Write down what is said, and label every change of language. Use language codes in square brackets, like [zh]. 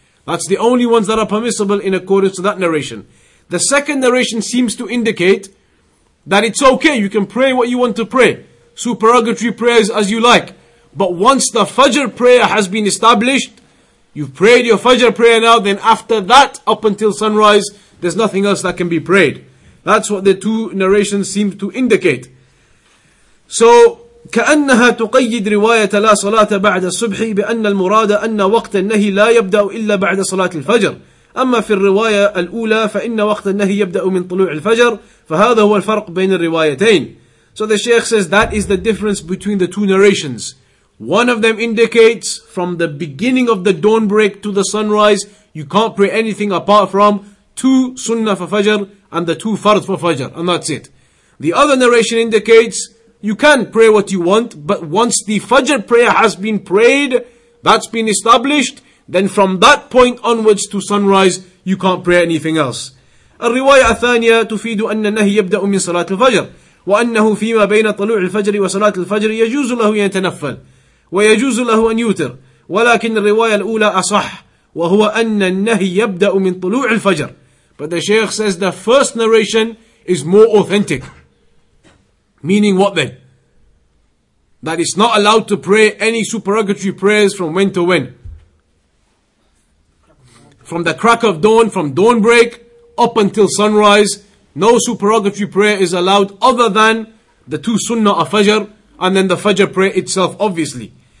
[en] That's the only ones that are permissible in accordance to that narration. The second narration seems to indicate that it's okay, you can pray what you want to pray, supererogatory prayers as you like. But once the Fajr prayer has been established, you've prayed your Fajr prayer now, then after that, up until sunrise, there's nothing else that can be prayed. That's what the two narrations seem to indicate. [ar] So, كأنها تقيد رواية لا صلاة بعد الصبح بأن المراد أن وقت النهي لا يبدأ إلا بعد صلاة الفجر أما في الرواية الأولى فإن وقت النهي يبدأ من طلوع الفجر فهذا هو الفرق بين الروايتين [en] So the Shaykh says that is the difference between the two narrations. One of them indicates from the beginning of the dawn break to the sunrise you can't pray anything apart from two sunnah for Fajr and the two fard for Fajr and that's it. The other narration indicates you can pray what you want, but once the Fajr prayer has been prayed, that's been established, then from that point onwards to sunrise, you can't pray anything else. [ar] الرواية الثانية تفيد أن النهي يبدأ من صلاة الفجر وأنه فيما بين طلوع الفجر وصلاة الفجر يجوز له أن يتنفل ويجوز له أن يوتر ولكن الرواية الأولى أصح وهو أن النهي يبدأ من طلوع الفجر [en] But the Shaykh says the first narration is more authentic. Meaning what then? That it's not allowed to pray any supererogatory prayers from when to when? From the crack of dawn, from dawn break, up until sunrise, no supererogatory prayer is allowed other than the two sunnah of Fajr, and then the Fajr prayer itself, obviously.